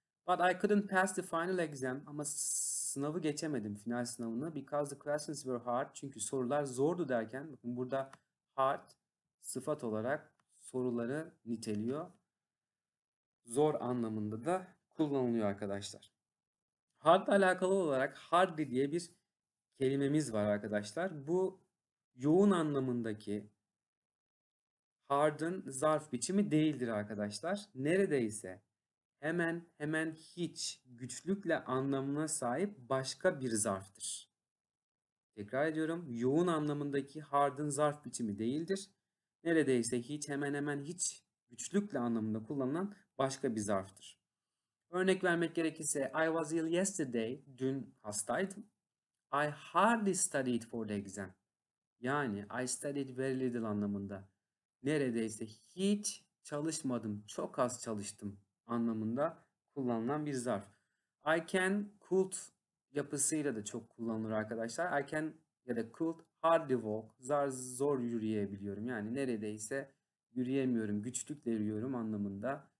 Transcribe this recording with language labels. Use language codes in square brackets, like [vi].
[en] But I couldn't pass the final exam. Ama sınavı geçemedim. Final sınavını. Because the questions were hard. [tr] Çünkü sorular zordu derken. Bakın burada hard sıfat olarak soruları niteliyor. Zor anlamında da kullanılıyor arkadaşlar. Hard'la alakalı olarak hardly diye bir kelimemiz var arkadaşlar. Bu yoğun anlamındaki hard'ın zarf biçimi değildir arkadaşlar. Neredeyse hemen hemen hiç güçlükle anlamına sahip başka bir zarftır. Tekrar ediyorum. Yoğun anlamındaki hard'ın zarf biçimi değildir. Neredeyse hiç hemen hemen hiç güçlükle anlamında kullanılan başka bir zarftır. Örnek vermek gerekirse I was ill yesterday. Dün hastaydım. [en] I hardly studied for the exam. Yani I studied very little anlamında. [tr] Neredeyse hiç çalışmadım, çok az çalıştım anlamında kullanılan bir zarf. I can, could yapısıyla da çok kullanılır arkadaşlar. I can ya da could hardly walk. Zor yürüyebiliyorum. Yani neredeyse yürüyemiyorum, güçlükle yürüyorum anlamında.